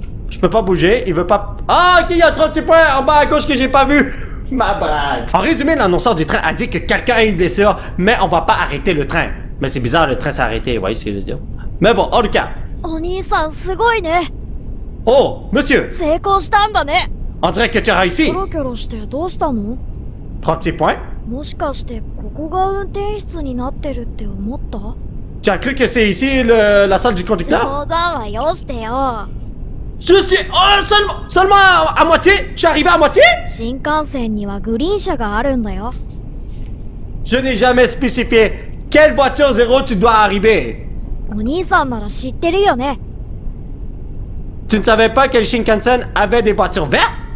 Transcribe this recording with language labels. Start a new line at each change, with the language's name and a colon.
French: Je peux pas bouger, il veut pas... Ah, ok, il y a trois petits points en bas à gauche que j'ai pas vu! Ma brague! En résumé, l'annonceur du train a dit que quelqu'un a une blessure, mais on va pas arrêter le train. Mais c'est bizarre, le train s'est arrêté, vous voyez ce que je veux dire? Mais bon, en tout cas...
Japanese: Oni-san, sugoi ne!
French: Oh, monsieur!
Japanese: ...成功したんだね!
French: On dirait que tu as réussi!
Japanese: ...キョロキョロして、どうしたの?
French: Trois petits points?
Japanese: ...もしかして、ここが運転室になってるって思った?
French: Tu as cru que c'est ici, la salle du conducteur?
Japanese: ...冗談はよしてよ!
French: Je suis... Oh, seulement à moitié? Je suis arrivé à moitié?
Japanese: ...新幹線にはグリーン車があるんだよ!
French: Je n'ai jamais spécifié quelle voiture zéro tu dois arriver!
Japanese: ...お兄さんなら知ってるよね!
French: Tu ne savais pas que le Shinkansen avait des voitures vertes?